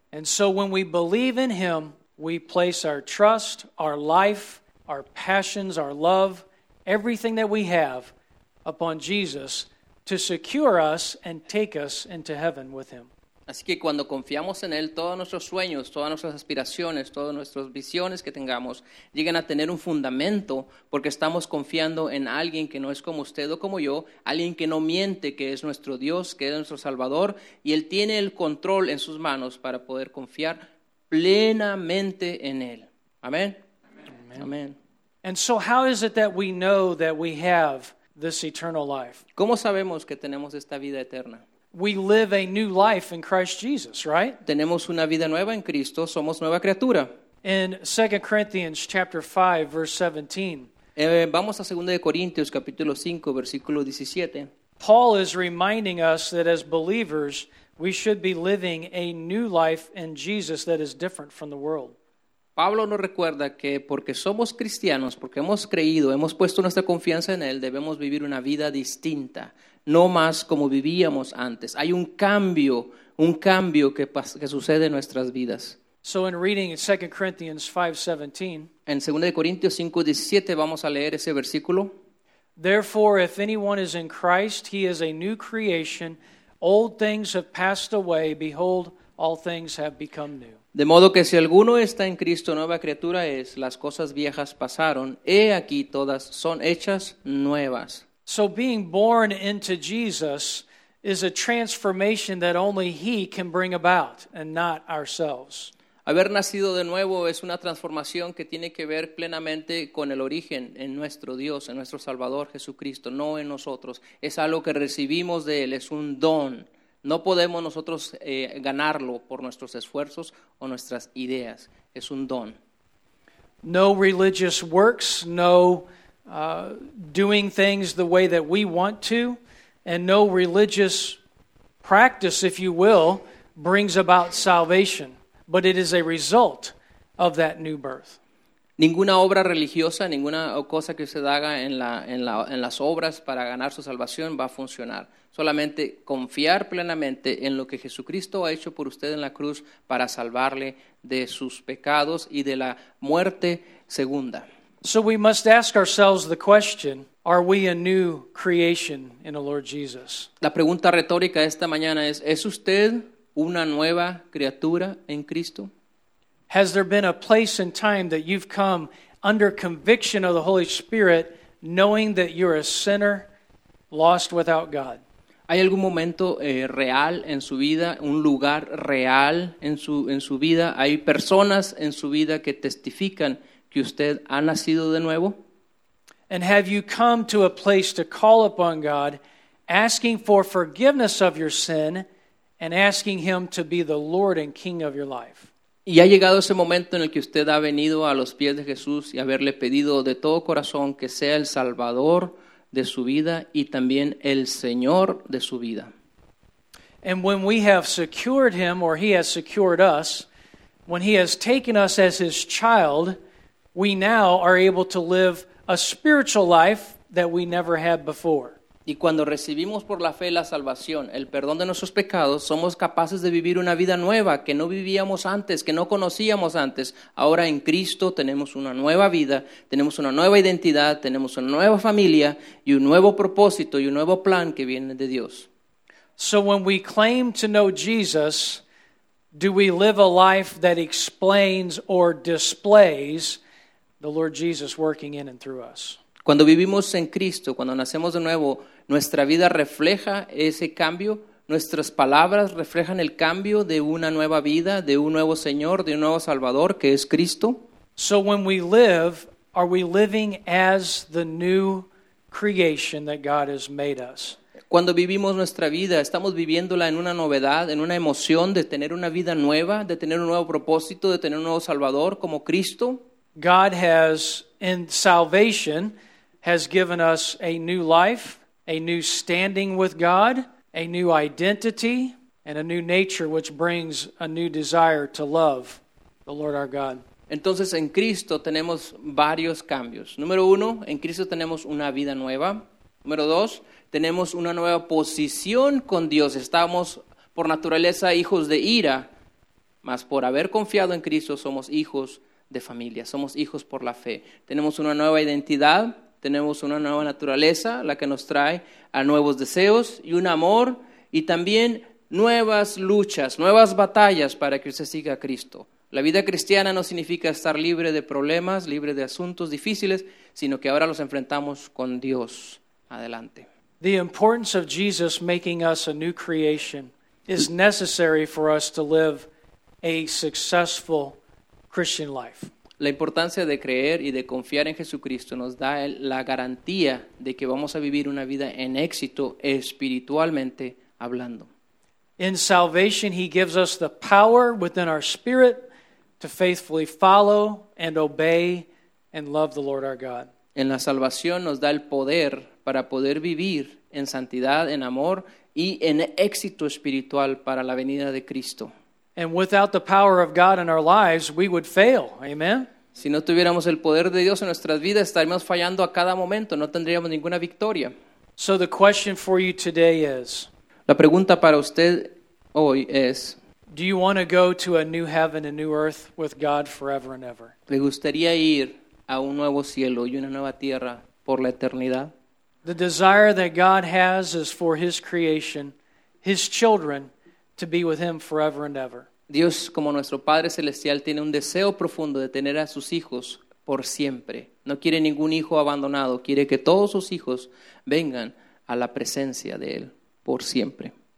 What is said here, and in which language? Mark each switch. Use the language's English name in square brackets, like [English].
[English] And so when we believe in him, we place our trust, our life, our passions, our love, everything that we have upon Jesus to secure us and take us into heaven with him. [Spanish] Así que cuando confiamos en él, todos nuestros sueños, todas nuestras aspiraciones, todas nuestras visiones que tengamos llegan a tener un fundamento porque estamos confiando en alguien que no es como usted o como yo, alguien que no miente, que es nuestro Dios, que es nuestro Salvador, y él tiene el control en sus manos para poder confiar plenamente en él. Amén. Amén. Amén. [English] And so how is it that we know that we have this eternal life? [Spanish] ¿Cómo sabemos que tenemos esta vida eterna? [English] We live a new life in Christ Jesus, right? [Spanish] Tenemos una vida nueva en Cristo, somos nueva criatura. [English] In 2 Corinthians chapter 5 verse 17. [Spanish] Vamos a 2 de Corintios capítulo 5 versículo 17. [English] Paul is reminding us that as believers, we should be living a new life in Jesus that is different from the world. [Spanish] Pablo nos recuerda que porque somos cristianos, porque hemos creído, hemos puesto nuestra confianza en él, debemos vivir una vida distinta. No más como vivíamos antes. Hay un cambio que sucede en nuestras vidas. [English] So in reading 2 Corinthians 5:17, [Spanish] en 2 Corintios 5:17 vamos a leer ese versículo. [English] Therefore, if anyone is in Christ, he is a new creation. Old things have passed away. Behold, all things have become new. [Spanish] De modo que si alguno está en Cristo, nueva criatura es. Las cosas viejas pasaron. He aquí, todas son hechas nuevas. [English] So being born into Jesus is a transformation that only he can bring about and not ourselves. [Spanish] Haber nacido de nuevo es una transformación que tiene que ver plenamente con el origen en nuestro Dios, en nuestro Salvador Jesucristo, no en nosotros. Es algo que recibimos de él, es un don. No podemos nosotros ganarlo por nuestros esfuerzos o nuestras ideas. Es un don. [English] No religious works, no doing things the way that we want to, and no religious practice, if you will, brings about salvation. But it is a result of that new birth. [Spanish] Ninguna obra religiosa, ninguna cosa que usted haga en las obras para ganar su salvación va a funcionar. Solamente confiar plenamente en lo que Jesucristo ha hecho por usted en la cruz para salvarle de sus pecados y de la muerte segunda. [English] So we must ask ourselves the question, are we a new creation in the Lord Jesus? [Spanish] La pregunta retórica esta mañana ¿es usted una nueva criatura en Cristo? [English] Has there been a place and time that you've come under conviction of the Holy Spirit, knowing that you're a sinner, lost without God? [Spanish] ¿Hay algún momento real en su vida, un lugar real en su vida? ¿Hay personas en su vida que testifican que usted ha nacido de nuevo? [English] And have you come to a place to call upon God, asking for forgiveness of your sin and asking him to be the Lord and King of your life? [Spanish] ¿Y ha llegado ese momento en el que usted ha venido a los pies de Jesús y haberle pedido de todo corazón que sea el Salvador de su vida y también el Señor de su vida? [English] And when we have secured him, or he has secured us, when he has taken us as his child, we now are able to live a spiritual life that we never had before. [Spanish] Y cuando recibimos por la fe la salvación, el perdón de nuestros pecados, somos capaces de vivir una vida nueva que no vivíamos antes, que no conocíamos antes. Ahora en Cristo tenemos una nueva vida, tenemos una nueva identidad, tenemos una nueva familia y un nuevo propósito y un nuevo plan que viene de Dios. [English] So when we claim to know Jesus, do we live a life that explains or displays the Lord Jesus working in and through us? [Spanish] Cuando vivimos en Cristo, cuando nacemos de nuevo, ¿nuestra vida refleja ese cambio? ¿Nuestras palabras reflejan el cambio de una nueva vida, de un nuevo Señor, de un nuevo Salvador, que es Cristo? [English] So when we live, are we living as the new creation that God has made us? [Spanish] Cuando vivimos nuestra vida, ¿estamos viviéndola en una novedad, en una emoción de tener una vida nueva, de tener un nuevo propósito, de tener un nuevo Salvador como Cristo? [English] God has, in salvation, has given us a new life, a new standing with God, a new identity, and a new nature which brings a new desire to love the Lord our God. [Spanish] Entonces, en Cristo tenemos varios cambios. Número uno, en Cristo tenemos una vida nueva. Número dos, tenemos una nueva posición con Dios. Estamos, por naturaleza, hijos de ira, mas por haber confiado en Cristo, somos hijos de familia, somos hijos por la fe. Tenemos una nueva identidad, tenemos una nueva naturaleza, la que nos trae a nuevos deseos y un amor, y también nuevas luchas, nuevas batallas para que usted siga a Cristo. La vida cristiana no significa estar libre de problemas, libre de asuntos difíciles, sino que ahora los enfrentamos con Dios. Adelante. [English] The importance of Jesus making us a new creation is necessary for us to live a successful Christian life. [Spanish] La importancia de creer y de confiar en Jesucristo nos da la garantía de que vamos a vivir una vida en éxito espiritualmente hablando. [English] In salvation, he gives us the power within our spirit to faithfully follow and obey and love the Lord our God. [Spanish] En la salvación nos da el poder para poder vivir en santidad, en amor y en éxito espiritual para la venida de Cristo. [English] And without the power of God in our lives, we would fail. Amen. [Spanish] Si no tuviéramos el poder de Dios en nuestras vidas, estaríamos fallando a cada momento, no tendríamos ninguna victoria. [English] So the question for you today is, [Spanish] la pregunta para usted hoy es, [English] do you want to go to a new heaven and new earth with God forever and ever? [Spanish] ¿Le gustaría ir a un nuevo cielo y una nueva tierra por la eternidad? [English] The desire that God has is for his creation, his children, to be with him forever and ever. [Spanish] Dios, como nuestro Padre Celestial, tiene un deseo profundo de tener a sus hijos por siempre. No quiere ningún hijo abandonado. Quiere que todos sus hijos vengan a la presencia de él por siempre.